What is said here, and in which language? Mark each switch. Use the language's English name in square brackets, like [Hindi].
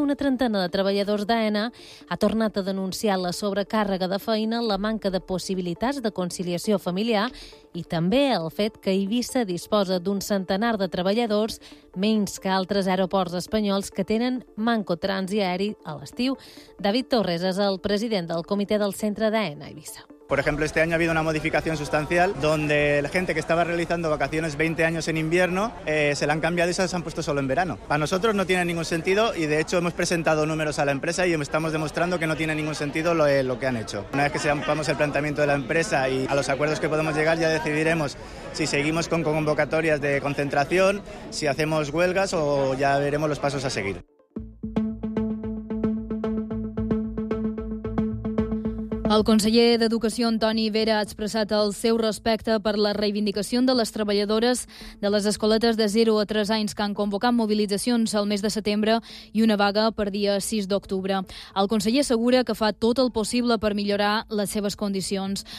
[Catalan] Una trentena de treballadors d'AENA ha tornat a denunciar la sobrecàrrega de feina, la manca de possibilitats de conciliació familiar i també el fet que Eivissa disposa d'un centenar de treballadors menys que altres aeroports espanyols que tenen manco trànsit aeri a l'estiu. David Torres és el president del comitè del centre d'AENA Eivissa. [Spanish] Por ejemplo, este año ha habido una modificación sustancial donde la gente que estaba realizando vacaciones 20 años en invierno se la han cambiado y se las han puesto solo en verano. Para nosotros no tiene ningún sentido y de hecho hemos presentado números a la empresa y estamos demostrando que no tiene ningún sentido lo que han hecho. Una vez que sepamos el planteamiento de la empresa y a los acuerdos que podemos llegar, ya decidiremos si seguimos con convocatorias de concentración, si hacemos huelgas o ya veremos los pasos a seguir. [Catalan] El conseller d'Educació, Antoni Vera, ha expressat el seu respecte per la reivindicació de les treballadores de les escoletes de 0 a 3 anys que han convocat mobilitzacions el mes de setembre i una vaga per dia 6 d'octubre. El conseller assegura que fa tot el possible per millorar les seves condicions.